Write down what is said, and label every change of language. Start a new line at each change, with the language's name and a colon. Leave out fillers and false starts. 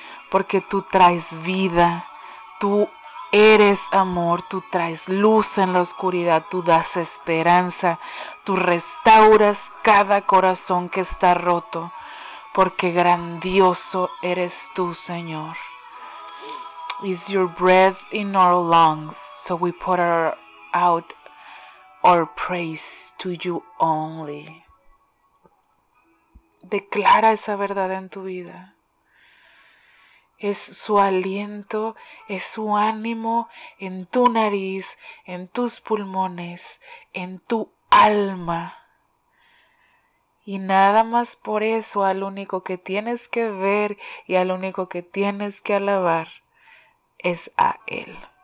Spanish: Porque tú traes vida, tú eres amor, tú traes luz en la oscuridad, tú das esperanza, tú restauras cada corazón que está roto, porque grandioso eres tú, Señor.
English: Is your breath in our lungs, so we put out our praise to you only.
Spanish: Declara esa verdad en tu vida. Es su aliento, es su ánimo en tu nariz, en tus pulmones, en tu alma. Y nada más por eso, al único que tienes que ver y al único que tienes que alabar es a Él.